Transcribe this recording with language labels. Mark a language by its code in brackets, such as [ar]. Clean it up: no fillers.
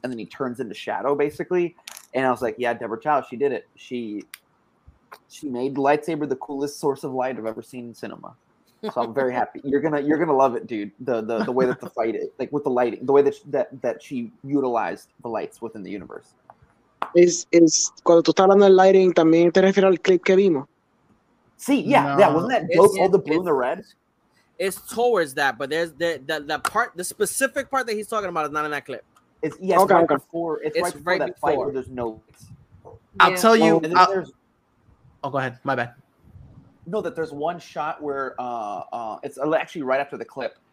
[en] And then he turns into shadow, basically. And I was like, yeah, Deborah Chow, she did it. She made the lightsaber the coolest source of light I've ever seen in cinema. So I'm very happy. You're gonna love it, dude. The way that the fight is, like with the lighting, the way that she utilized the lights within the universe. [es] Is cuando tú estás hablando del lighting, también te refieres al clip que vimos? [en] Sí, yeah, no. Yeah. Wasn't that dope, all the blue and the red? It's towards that, but there's the specific part that he's talking about is not in that clip. It's right before that fight. Where there's no lights. Yeah. I'll tell you. Go ahead. My bad. No, that there's one shot where it's actually right after the clip.